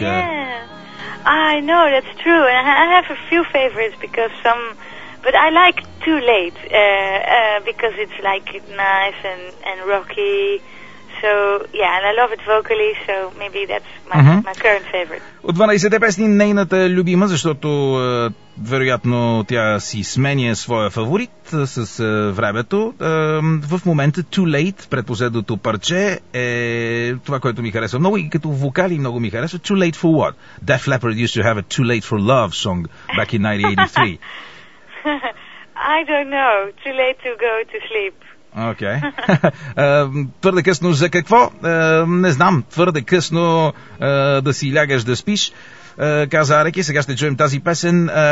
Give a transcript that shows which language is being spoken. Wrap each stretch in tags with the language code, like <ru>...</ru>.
<en>yeah, I know, that's true. And I have a few favorites because some... But I like Too Late because it's like nice and rocky. So, yeah, and I love it vocally, so maybe that's my current favorite.</en> <bg>От 12-те песни нейната любима, защото вероятно тя си сменя своя фаворит с времето. В момента Too Late, предпоследното парче, е това, което ми харесва много и като вокали много ми харесва.</bg> <en>Too Late for what? Def Leppard used to have a Too Late for Love song back in 1983. I don't know. Too Late to Go to Sleep.</en> <bg>Окей. Твърде късно за какво? Не знам. Твърде късно да си лягаш да спиш. Каза Ареки, сега ще чуем тази песен.</bg>